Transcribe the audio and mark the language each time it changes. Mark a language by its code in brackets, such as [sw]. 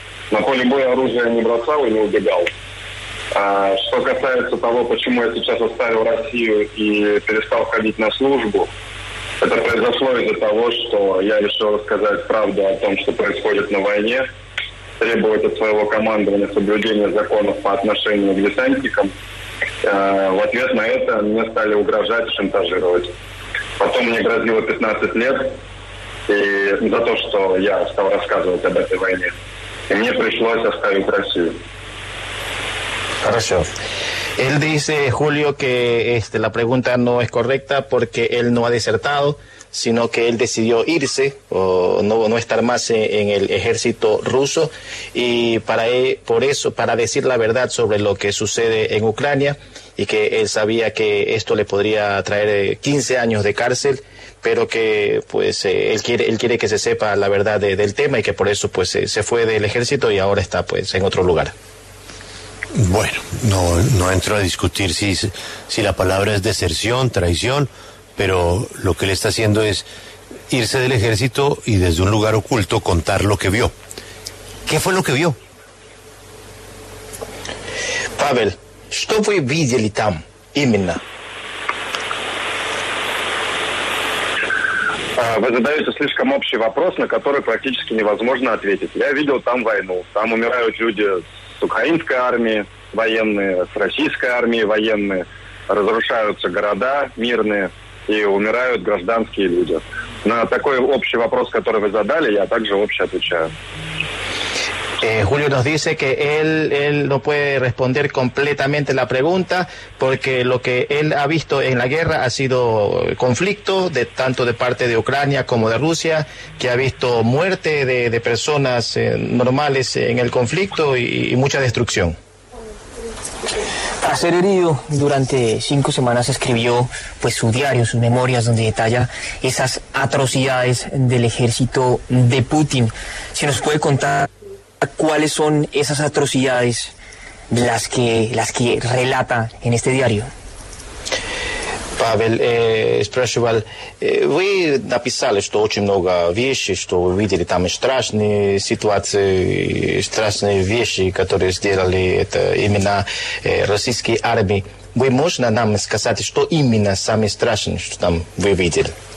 [ru] На поле боя оружие не бросал и не убегал. Что касается того, почему я сейчас оставил Россию и перестал ходить на службу, это произошло из-за того, что я решил рассказать правду о том, что происходит на войне, требовать от своего командования соблюдения законов по отношению к десантникам. В ответ на это мне стали угрожать, шантажировать. Потом мне грозило 15 лет и за то, что я стал рассказывать об этой войне. И мне пришлось оставить Россию. Хорошо. [es] Él dice, Julio, que la pregunta no es correcta porque él no ha desertado, sino que él decidió irse o no estar más en el ejército ruso. Y para él, por eso, para decir la verdad sobre lo que sucede en Ucrania y que él sabía que esto le podría traer 15 años de cárcel, pero que pues él quiere que se sepa la verdad del tema y que por eso pues se fue del ejército y ahora está pues en otro lugar. Bueno, no entro a discutir si la palabra es deserción, traición, pero lo que él está haciendo es irse del ejército y desde un lugar oculto contar lo que vio. ¿Qué fue lo que vio? [ru] Pavel, что вы видели там именно? Вы задаете слишком общий вопрос, на который практически невозможно ответить. Я видел там войну, там умирают люди с украинской армии военные, с российской армии военные, разрушаются города мирные и умирают гражданские люди. На такой общий вопрос, который вы задали, я также общий отвечаю. [es] Julio nos dice que él no puede responder completamente la pregunta porque lo que él ha visto en la guerra ha sido conflicto de tanto de parte de Ucrania como de Rusia, que ha visto muerte de personas normales en el conflicto y mucha destrucción. Tras ser herido, durante 5 semanas escribió pues su diario, sus memorias, donde detalla esas atrocidades del ejército de Putin. Si nos puede contar, ¿cuáles son esas atrocidades las que relata en este diario? [ru] Павел спрашивал, вы написали, что очень много вещей, что вы видели там страшные ситуации, страшные вещи, которые сделали это именно российские армии. Вы можете нам сказать, что именно самое страшное, что там вы видели?